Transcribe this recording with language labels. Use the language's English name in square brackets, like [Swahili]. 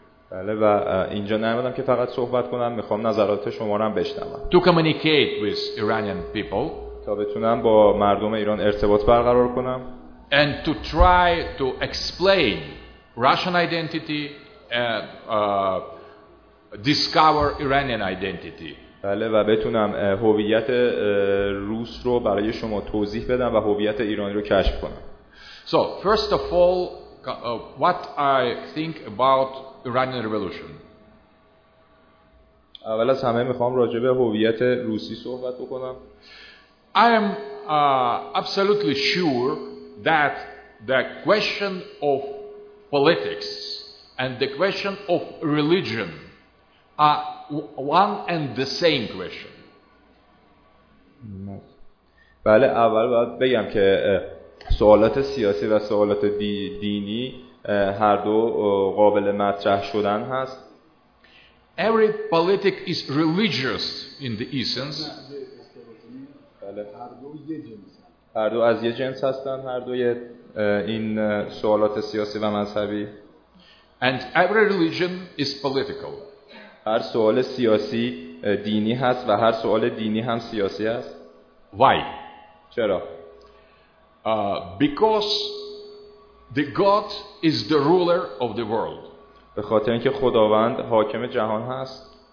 [Persian] بله، و اینجا نمیدم که فقط صحبت کنم، میخوام نظرات شما رو هم بشنوم. [English] To communicate with Iranian people. [Persian] تا بتونم با مردم ایران ارتباط برقرار کنم. [English] And to try to explain Russian identity and discover Iranian identity. [Persian] بله، و بتونم هویت روس رو برای شما توضیح بدم و هویت ایرانی رو کشف کنم. [English] So, first of all, what I think about Iranian revolution. [Persian] اول از همه میخوام راجع به هویت روسی صحبت بکنم. [English] I am absolutely sure that the question of politics and the question of religion are one and the same question. [Persian] بله، اول باید بگم که سوالات سیاسی و سوالات دینی هر دو قابل مطرح شدن هست. [English] Every politic is religious in the essence. [Persian] بله، هر دو یه جنس هستن. هر دو از یه جنس هستن، هر دوی این سوالات سیاسی و مذهبی. [English] And every religion is political. [Persian] هر سوال سیاسی دینی هست و هر سوال دینی هم سیاسی هست. [English] Why? [Persian] چرا؟ [English] Because the God is the ruler of the world. [Persian] به خاطر اینکه خداوند حاکم جهان هست.